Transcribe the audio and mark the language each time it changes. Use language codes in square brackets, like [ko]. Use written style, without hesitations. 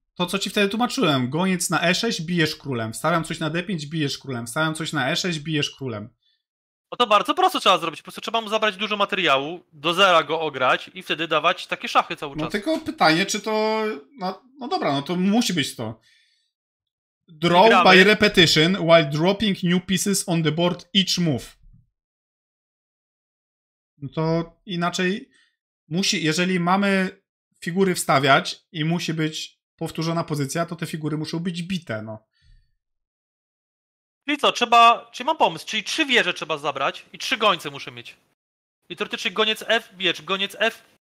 [pl] To, co ci wtedy tłumaczyłem. Goniec na E6, bijesz królem. Wstawiam coś na D5, bijesz królem. Wstawiam coś na E6, bijesz królem. No to bardzo prosto trzeba zrobić. Po prostu trzeba mu zabrać dużo materiału, do zera go ograć i wtedy dawać takie szachy cały czas. No tylko pytanie, czy to... No dobra, no to musi być to. [en] Draw by repetition while dropping new pieces on the board each move. [pl] No to inaczej musi... Jeżeli mamy figury wstawiać i musi być powtórzona pozycja, to te figury muszą być bite, no. Czyli co, trzeba... Czy mam pomysł, czyli trzy wieże trzeba zabrać i trzy gońce muszę mieć. I teoretycznie goniec F, wiesz, goniec F...